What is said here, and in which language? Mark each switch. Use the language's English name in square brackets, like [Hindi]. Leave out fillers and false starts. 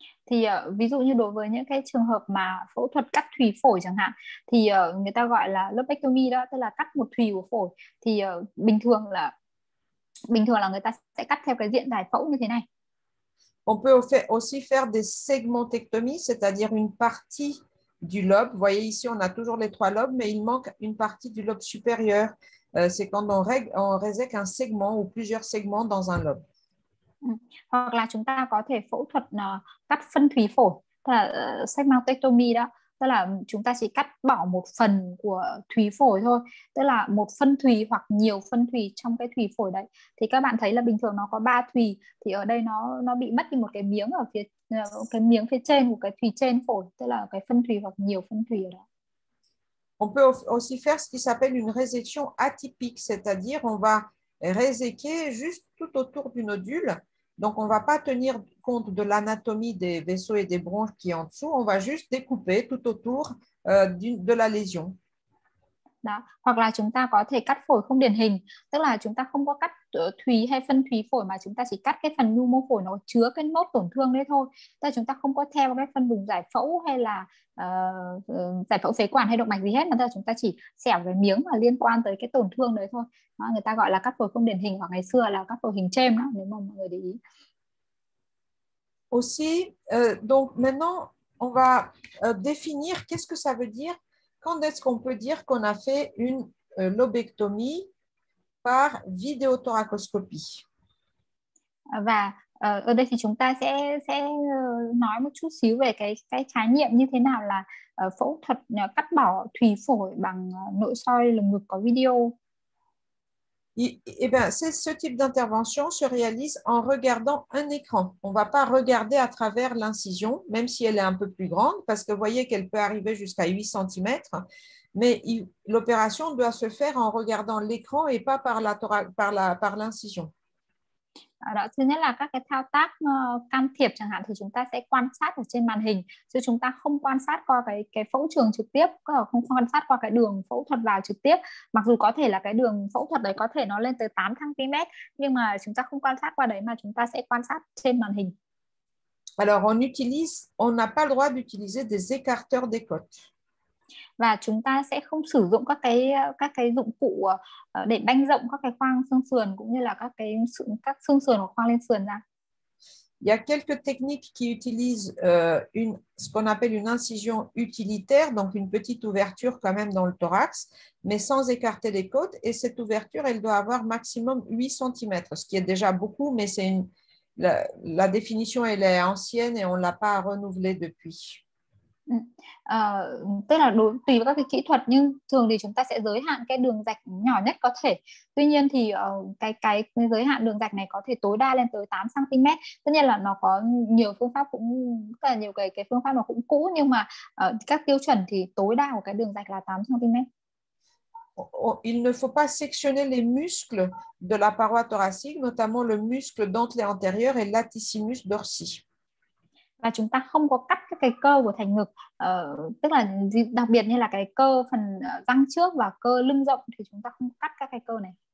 [Vietnamese] Thì ví dụ như đối với những cái trường hợp mà phẫu thuật cắt thùy phổi chẳng hạn thì người ta gọi là lobectomy đó, tức là cắt một thùy của phổi, thì bình thường là người ta sẽ cắt theo cái diện giải phẫu như thế này. [French] On peut aussi faire des segmentectomies, c'est-à-dire une partie du lobe. Vous voyez ici, on a toujours les trois lobes, mais il manque une partie du lobe supérieur. C'est quand on résèque un segment ou plusieurs segments dans un lobe. [Vietnamese] Hoặc là chúng ta có thể phẫu thuật cắt phân thùy phổi, tức là segmentectomy đó, tức là chúng ta chỉ cắt bỏ một phần của thùy phổi thôi, tức là một phân thùy hoặc nhiều phân thùy trong cái thùy phổi đấy. Thì các bạn thấy là bình thường nó có 3 thùy thì ở đây nó bị mất đi một cái miếng phía trên của cái thùy trên phổi, tức là cái phân thùy hoặc nhiều phân thùy ở đó. [French] On peut aussi faire ce qui s'appelle une résection atypique, c'est-à-dire on va réséquer juste tout autour du nodule. Donc, on ne va pas tenir compte de l'anatomie des vaisseaux et des bronches qui sont en dessous, on va juste découper tout autour de la lésion. [Vietnamese] Đó. Hoặc là chúng ta có thể cắt phổi không điển hình, tức là chúng ta không có cắt thùy hay phân thùy phổi mà chúng ta chỉ cắt cái phần nhu mô phổi nó chứa cái nốt tổn thương đấy thôi, tức là chúng ta không có theo cái phần vùng giải phẫu hay là giải phẫu phế quản hay động mạch gì hết, mà tức là chúng ta chỉ xẻo cái miếng mà liên quan tới cái tổn thương đấy thôi đó, người ta gọi là cắt phổi không điển hình hoặc ngày xưa là cắt phổi hình chêm đó, nếu mà mọi người để ý. [French] Aussi, donc maintenant, on va définir qu'est-ce que ça veut dire, quand est-ce qu'on peut dire qu'on a fait une lobectomie par vidéothoracoscopie. [Vietnamese] Và ở đây thì chúng ta sẽ nói một chút xíu về cái khái niệm như thế nào là phẫu thuật cắt bỏ thùy phổi bằng nội soi lồng ngực có video. [French] Eh bien, ce type d'intervention se réalise en regardant un écran. On ne va pas regarder à travers l'incision, même si elle est un peu plus grande, parce que vous voyez qu'elle peut arriver jusqu'à 8 cm. Mais l'opération doit se faire en regardant l'écran et pas par l'incision. [Vietnamese] Đó, thứ nhất là các cái thao tác can thiệp chẳng hạn thì chúng ta sẽ quan sát ở trên màn hình, chứ chúng ta không quan sát qua cái phẫu trường trực tiếp, không quan sát qua cái đường phẫu thuật vào trực tiếp, mặc dù có thể là cái đường phẫu thuật đấy có thể nó lên tới 8 cm nhưng mà chúng ta không quan sát qua đấy mà chúng ta sẽ quan sát trên màn hình. [French] Alors, on n'a pas le droit d'utiliser des écarteurs des côtes. [Vietnamese] Và chúng ta sẽ không sử dụng các cái dụng cụ để banh rộng các cái khoang xương sườn cũng như là các xương sườn hoặc khoang lên sườn ra. [French] Il y a quelques techniques qui utilisent ce qu'on appelle une incision utilitaire, donc une petite ouverture quand même dans le thorax, mais sans écarter les côtes. Et cette ouverture, elle doit avoir maximum 8 cm, ce qui est déjà beaucoup, mais c'est une. La définition, elle est ancienne et on ne l'a pas renouvelée depuis. [Vietnamese] Tức là tùy vào các cái kỹ thuật nhưng thường thì chúng ta sẽ giới hạn cái đường rạch nhỏ nhất có thể. Tuy nhiên thì cái giới hạn đường rạch này có thể tối đa lên tới 8 cm. Tất nhiên là nó có nhiều phương pháp cũng rất là nhiều cái phương pháp nó cũng cũ nhưng mà các tiêu chuẩn thì tối đa của cái đường rạch là 8 cm. [French] Il ne faut pas sectionner les muscles de la paroi thoracique, notamment le muscle dentelé antérieur et l'latissimus dorsi. [Vietnamese] Và chúng ta không có cắt các cái cơ của thành ngực, tức là đặc biệt như là cái cơ phần răng trước và cơ lưng rộng thì chúng ta không cắt các cái cơ này.